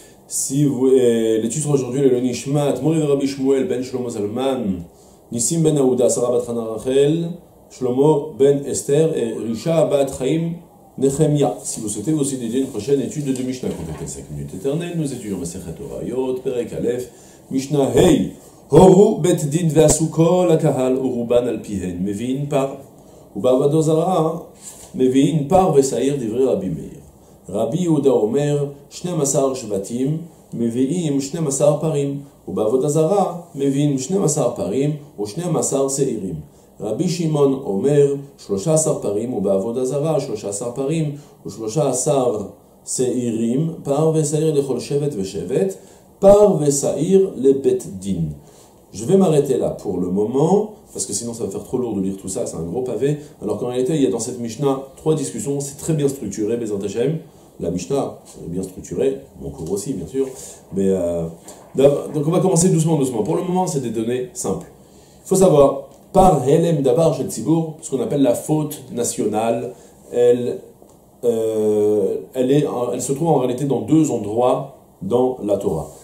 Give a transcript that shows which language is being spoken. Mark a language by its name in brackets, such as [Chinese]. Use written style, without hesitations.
[French] Si vous l'étude sur aujourd'hui, le Nishmat, Morir Rabbi Shmuel ben Shlomo Zalman, Nissim ben Aouda, Sarah bat Hana Rachel, Shlomo ben Esther et Risha bat Chaim Nechemia. Si vous souhaitez aussi dédier une prochaine étude de Mishnah, complétez 5 minutes éternelles, nous étudions Masechet Horayot, Perek Aleph, Mishnah Hey, [Hebrew] Horu bet din veasuko la kahal uruban al pihen, mevin par. ובעבדוזרה מביאים פר וסעיר דברי רבי מאיר. רבי יהודה אומר 12 שבטים מביאים 12 פרים, ובעבדוזרה מביאים 12 פרים ו12 סעירים. רבי שמעון אומר 13 פרים ובעבדוזרה 13 פרים ו13 סעירים, פר וסעיר לכל שבט ושבט, פר וסעיר לבית דין. [French] Je vais m'arrêter là pour le moment, parce que sinon ça va faire trop lourd de lire tout ça, c'est un gros pavé. Alors qu'en réalité, il y a dans cette Mishnah trois discussions, c'est très bien structuré, Bezrat Hashem. La Mishnah est bien structurée, mon cours aussi, bien sûr. Mais donc on va commencer doucement, doucement. Pour le moment, c'est des données simples. Il faut savoir, par Helem Dabar chez Tzibur, ce qu'on appelle la faute nationale, elle se trouve en réalité dans deux endroits dans la Torah.